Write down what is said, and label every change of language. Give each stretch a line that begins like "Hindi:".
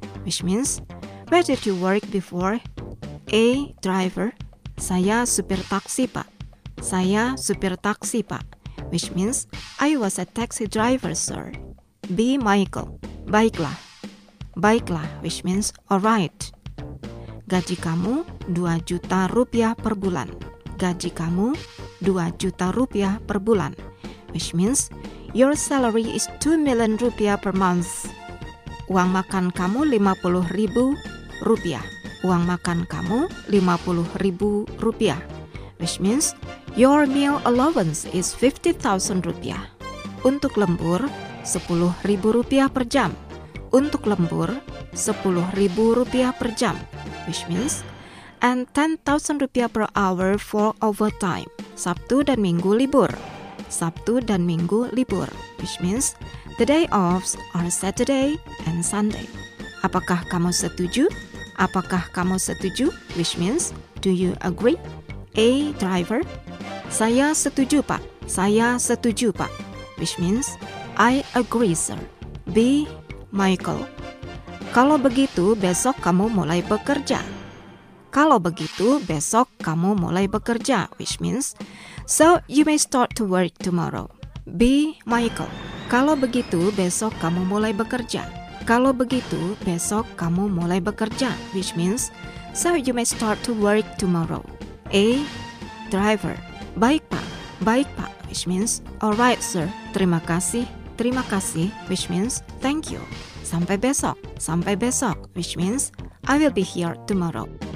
English: Which means, where did you work before?
Indonesian: A. Driver. Saya supir taksi, Pak. Saya supir taksi, Pak.
English: Which means, I was a taxi driver, sir. B. Michael.
Indonesian: Baiklah. Baiklah,
English: which means, alright.
Indonesian: Gaji kamu 2 juta rupiah per bulan. Gaji kamu 2 juta rupiah per bulan.
English: Which means, your salary is 2 million rupiah per month.
Indonesian: Uang makan kamu 50 ribu rupiah. Uang makan kamu 50 ribu rupiah.
English: Which means, your meal allowance is 50,000 rupiah.
Indonesian: Untuk lembur, 10 ribu rupiah per jam. Untuk lembur, 10 ribu rupiah per jam.
English: Which means, and 10,000 rupiah per hour for overtime.
Indonesian: Sabtu dan Minggu libur. Sabtu dan Minggu libur.
English: Which means, the day offs are Saturday and Sunday.
Indonesian: Apakah kamu setuju? Apakah kamu setuju?
English: Which means, do you agree?
Indonesian: A. Driver. Saya setuju, Pak. Saya setuju, Pak.
English: Which means, I agree, sir. B. Michael.
Indonesian: Kalau begitu, besok kamu mulai bekerja. Kalau begitu, besok kamu mulai bekerja.
English: Which means, so you may start to work tomorrow. B. Michael.
Indonesian: Kalau begitu, besok kamu mulai bekerja. Kalau begitu, besok kamu mulai bekerja.
English: Which means, so you may start to work tomorrow.
Indonesian: A. Driver. Baik, Pak. Baik, Pak.
English: Which means, alright, sir.
Indonesian: Terima kasih. Terima kasih.
English: Which means, thank you.
Indonesian: Sampai besok. Sampai besok.
English: Which means, I will be here tomorrow.